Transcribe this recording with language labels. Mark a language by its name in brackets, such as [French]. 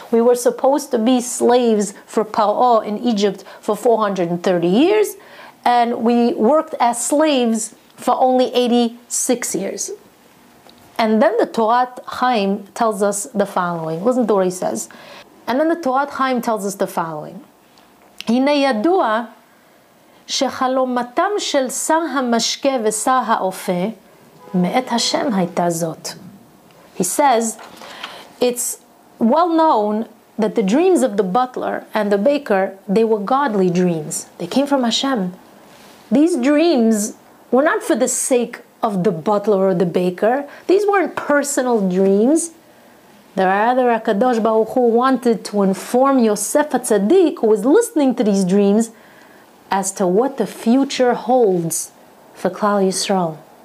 [English] We were supposed to be slaves for Pao in Egypt for 430 years, and we worked as slaves for only 86 years. And then the Torah Chaim tells us the following. Listen to what he says. And then the Torah Chaim tells us the following. [Hebrew] Hine yadua שחלומתם של שר המשקה ושר האופה מאת השם הייתה זאת. [English] He says, it's well known that the dreams of the butler and the baker, they were godly dreams. They came from Hashem. These dreams were not for the sake of the butler or the baker. These weren't personal dreams. The rather HaKadosh Baruch Hu wanted to inform Yosef HaTzadik, who was listening to these dreams, as to what the future holds for Klal Yisrael.